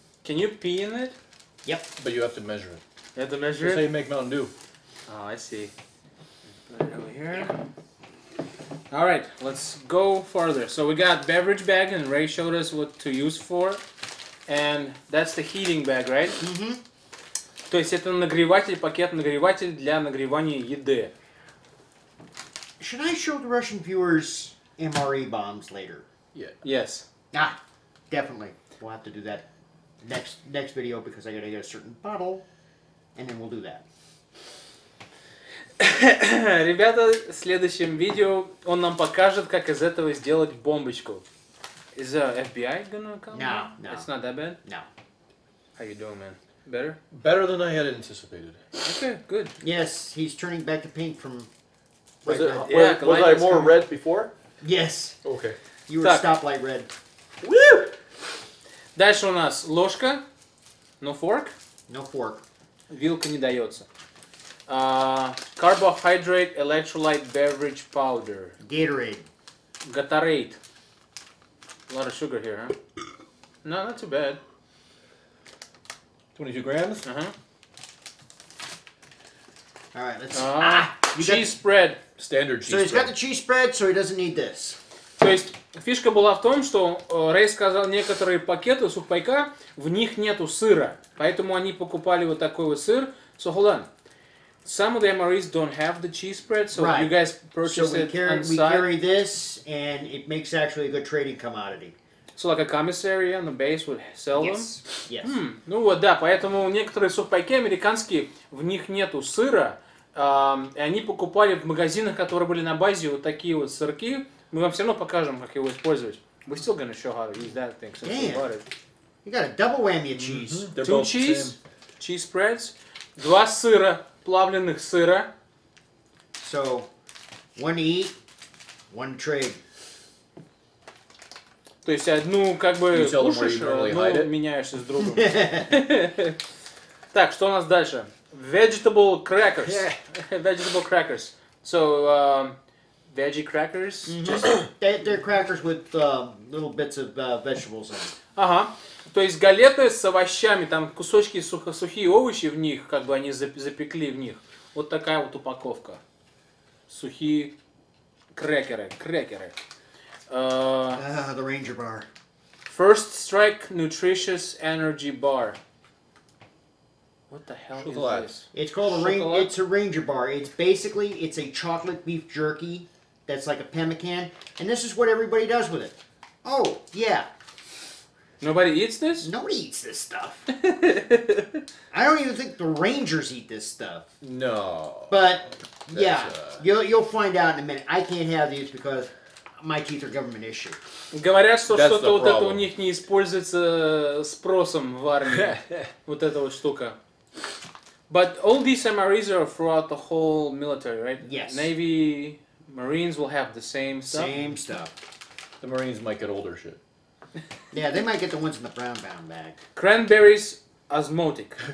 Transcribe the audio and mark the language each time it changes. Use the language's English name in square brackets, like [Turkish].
[English] Can you pee in it? Yep. But you have to measure it. You have to measure it? That's how you make Mountain Dew. Oh, I see. Put it over here. Alright, let's go farther. So we got beverage bag and Ray showed us what to use for. And that's the heating bag, right? Mm-hmm. [Russian] То есть это нагреватель, пакет нагреватель для нагревания еды. [English] Should I show the Russian viewers MRE bombs later. Yeah. Yes. Ah, definitely. We'll have to do that next video because I gotta get a certain bottle, and then we'll do that. [Russian] Ребята, в следующем видео он нам покажет, как из этого сделать бомбочку. [English] Is the FBI gonna come? No. It's not that bad? No. How you doing, man? Better? Better than I had anticipated. Okay, good. Yes, he's turning back to pink from... Was, right it, yeah, was I more coming. Red before? Yes. Okay. You were stoplight red. [Russian] Woo! Дальше у нас ложка. [English] No fork? No fork. [Russian] Вилка не дается. [English] Carbohydrate electrolyte beverage powder. Gatorade. Gatorade. A lot of sugar here, huh? No, not too bad. 22 grams? Uh-huh. Alright, let's... Cheese spread. Standard cheese spread. So he's got the cheese spread, so he doesn't need this. [Russian] То есть, фишка была в том, что Рэй сказал, некоторые пакеты сухпайка, в них нету сыра. Поэтому они покупали вот такой вот сыр. [English] So hold on. Some of the MREs don't have the cheese spread, so right. You guys purchase so it on site. We carry this, and it makes actually a good trading commodity. So like a commissary on the base would sell yes. them? Yes. Hmm. [Russian] Ну вот, да, поэтому некоторые сухпайки американские, в них нету сыра, и они покупали в магазинах, которые были на базе, вот такие вот сырки. Мы вам все равно покажем, как его использовать. [English] We're still gonna show how to use that thing, since Damn. We bought it. You got a double whammy of cheese. Mm-hmm. Two cheese, same. Cheese spreads, [Russian] два сыра. Плавленных сыра. [English] So, one to eat, one to trade. [Russian] То есть одну как бы кушаешь, одну меняешься с другом. Так, что у нас дальше? [English] Vegetable crackers. Yeah. Vegetable crackers. So, veggie crackers. Mm-hmm. Just, they're crackers with little bits of vegetables in them. [Russian] Ага. То есть галеты с овощами, там кусочки сухие овощи в них, как бы они запекли в них. Вот такая вот упаковка. Сухие крекеры. Крекеры. [English] The Ranger Bar. First Strike Nutritious Energy Bar. What the hell Chocolate. Is this? It's called it's a Ranger Bar. It's basically, it's a chocolate beef jerky that's like a pemmican. And this is what everybody does with it. Oh, yeah. Nobody eats this? Nobody eats this stuff. I don't even think the Rangers eat this stuff. No. But, That's yeah, you'll find out in a minute. I can't have these because my teeth are government issue. [Russian] Говорят, что [English] That's [Russian] что-то вот это у них не используется спросом в армии. Вот эта вот штука. [English] But all these MREs are throughout the whole military, right? Yes. Navy, Marines will have the same stuff? Same stuff. The Marines might get older shit. Yeah, they might get the ones in the brown bound bag. Cranberries osmotic.